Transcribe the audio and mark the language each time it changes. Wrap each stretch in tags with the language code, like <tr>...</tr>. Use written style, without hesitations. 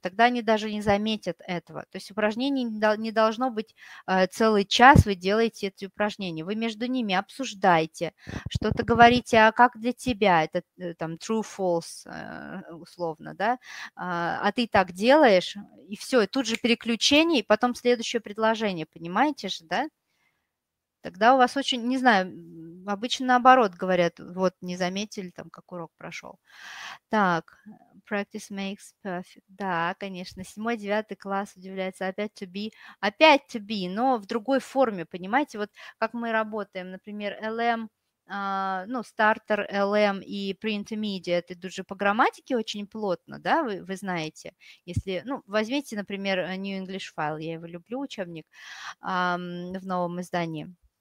<ru>Тогда они даже не заметят этого. То есть упражнение не должно быть целый час, вы делаете эти упражнения. Вы между ними обсуждаете, что-то говорите, а как для тебя это там true-false условно, да? А ты так делаешь, и все, и тут же переключение, и потом следующее предложение, понимаете же, да? Тогда у вас очень, не знаю, обычно наоборот говорят, вот не заметили там, как урок прошел. Так,</ru> <en>practice makes perfect.</en> <ru>Да, конечно, 7-9 класс удивляется, опять to be, но в другой форме, понимаете, вот как мы работаем, например, LM, ну, starter, LM и pre-intermediate идут же по грамматике очень плотно, да, вы знаете, если, ну, возьмите, например, New English File, я его люблю, учебник, в новом издании.</ru>